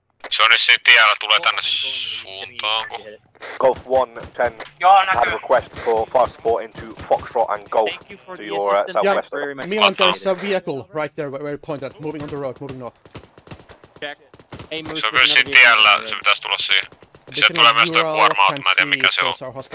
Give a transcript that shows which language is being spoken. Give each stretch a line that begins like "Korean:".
Finnish: Se on nyt siinä tiellä, tulee tänne suuntaan.
English: Golf 110,
Finnish: joo, näkyy.
English: Have request for fast sport into Foxtrot and Golf to your southwest. Milan, there is a vehicle right there where you pointed, moving on the road, moving north. Check.
Finnish: Se on myös siinä tiellä, se pitäis tulla siihen. Ja sieltä tulee myös toi kuorma, mä en tiedä mikä se on.